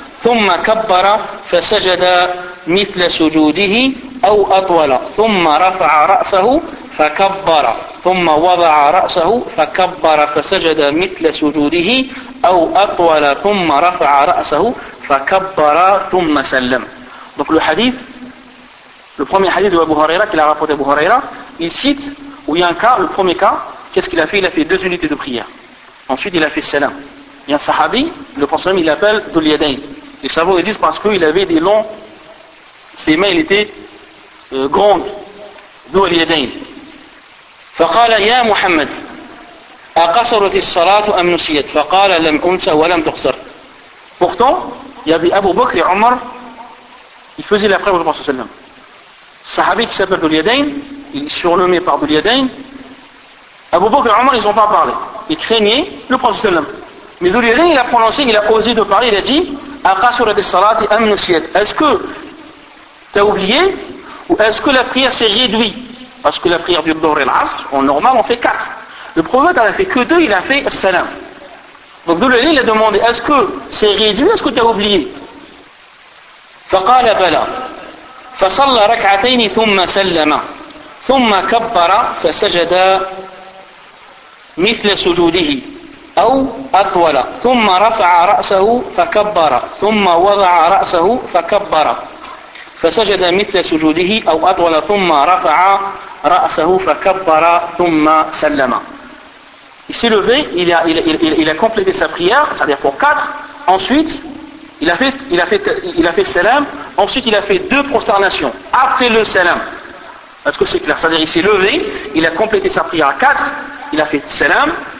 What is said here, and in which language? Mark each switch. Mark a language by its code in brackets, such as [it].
[ar] ثم كبر فسجد مثل سجوده أو أطول، ثم رفع رأسه فكبر، ثم وضع رأسه فكبر فسجد مثل سجوده أو أطول، ثم رفع رأسه فكبر ثم سلم. [fr] Donc le hadith, le premier hadith de Abu Huraira, qu'il a rapporté Abu Huraira, il cite où il y a un cas, le premier cas, qu'est-ce qu'il a fait? Il a fait deux unités de prière. Ensuite il a fait salam. Il y a un sahabi, le prophète, il l'appelle Dhul Yadayn. Les savants le disent parce qu'il avait des longs, ses mains étaient grandes. Dhul Yadayn. [ar] فقال يا محمد أقصرت الصلاة أم نسيت؟ فقال لم أنسى ولم تقصر. [fr] Pourtant, il y avait Abu Bakr et Omar, il faisait la prière au prophète. Le sahabi qui s'appelle Dhul Yadayn, il est surnommé par Dhul Yadayn. Abu Bakr et Omar, ils n'ont pas parlé. Ils craignaient le prophète. Mais Dhul Yadayn, il a prononcé, il a osé de parler, il a dit [ar] أَقَصُرَتِ الصَّلَاةِ أَمْ نُسِيَتْ. [fr] Est-ce que tu as oublié ou est-ce que la prière s'est réduite? Parce que la prière du Dhuhr et l'Asr, en normal, on fait quatre. Le prophète n'en a fait que deux, il a fait As-Salam. Donc Dhul Yadayn, il a demandé, est-ce que c'est réduit, est-ce que tu as oublié? [ar] فَقَالَ بَلَا فَصَلَّ رَكْعَتَيْنِ ثُمَّ سَلَّمَا ثُمَّ كَبَّرَ فَسَجَدَ مِثْلَ سُجُودِهِ أو أطول ثم رفع رأسه فكبر ثم وضع رأسه فكبر فسجد مثل سجوده أو أطول ثم رفع رأسه فكبر ثم سلم. [fr] Il s'est levé, il a complété sa prière, c'est-à-dire pour quatre. Ensuite, il a fait salam. Ensuite, il a fait deux prosternations après le salam. Est-ce que c'est clair? C'est-à-dire, il s'est levé, il a complété sa prière à quatre, il a fait salam.